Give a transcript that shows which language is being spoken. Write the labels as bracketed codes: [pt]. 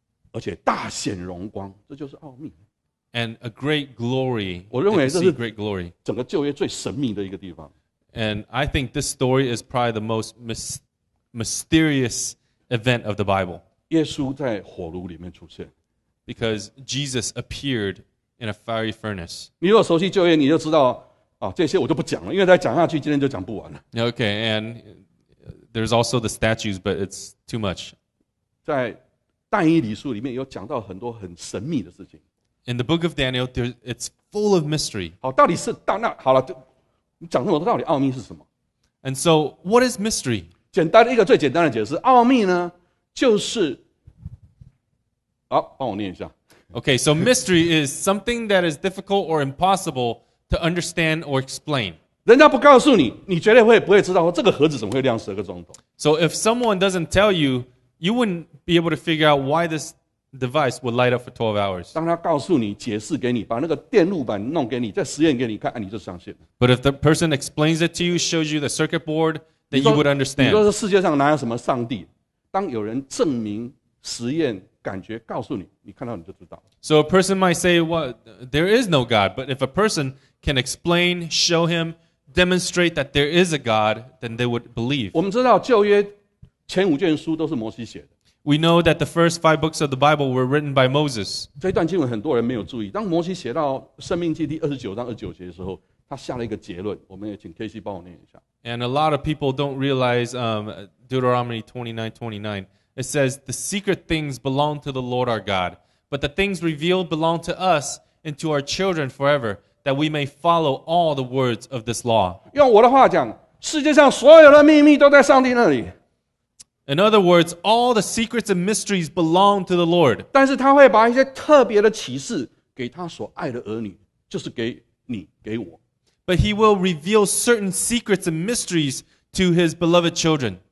[zh] 而且大显荣光，这就是奥秘。 [en] And a great glory. [zh] 我认为这是 [en] great glory. [zh] 整个旧约最神秘的一个地方。 [en] And I think this story is probably the most mysterious event of the Bible. [zh] 耶稣在火炉里面出现。 [en] Because Jesus appeared in a fiery furnace. [zh] 你如果熟悉旧约，你就知道啊，这些我就不讲了，因为再讲下去今天就讲不完了。 [en] Okay, and there's also the statues, but it's too much. [zh] 在但以理书里面有讲到很多很神秘的事情。 [en] In the book of Daniel, it's full of mystery. [zh] 好，到底是到那好了。你讲这么多，到底奥秘是什么 [en] ？And so, what is mystery? [zh] 简单一个最简单的解释，奥秘呢，就是，好，帮我念一下。 [en] Okay, so mystery is something that is difficult or impossible to understand or explain. [zh] 人家不告诉你，你绝对不会知道说这个盒子怎么会亮十个钟头。 [en] So if someone doesn't tell you, you wouldn't be able to figure out why this device would light up for 12 hours. [zh] 当他告诉你，解释给你，把那个电路板弄给你，再实验给你看，你就相信。 [en] But if the person explains it to you, shows you the circuit board, then you would understand. [zh] 你说这世界上哪有什么上帝？当有人证明实验感觉告诉你，你看到你就知道。 [en] So a person might say, well, there is no God, but if a person can explain, show him, demonstrate that there is a God, then they would believe. [zh] 我们知道旧约前五卷书都是摩西写的。 [en] We know that the first five books of the Bible were written by Moses. [zh] 这段经文很多人没有注意。当摩西写到《申命记》第29章29节的时候，他下了一个结论。我们也请 KC 帮我念一下。 [en] And a lot of people don't realize Deuteronomy 29:29. It says, "The secret things belong to the Lord our God, but the things revealed belong to us and to our children forever, that we may follow all the words of this law. [zh] 用我的话讲, 世界上所有的秘密都在上帝那里。 [en] In other words, all the secrets and mysteries belong to the Lord. [zh] 但是他会把一些特别的启示给他所爱的儿女，就是给你，给我。 [en] But he will reveal certain secrets and mysteries to his beloved children.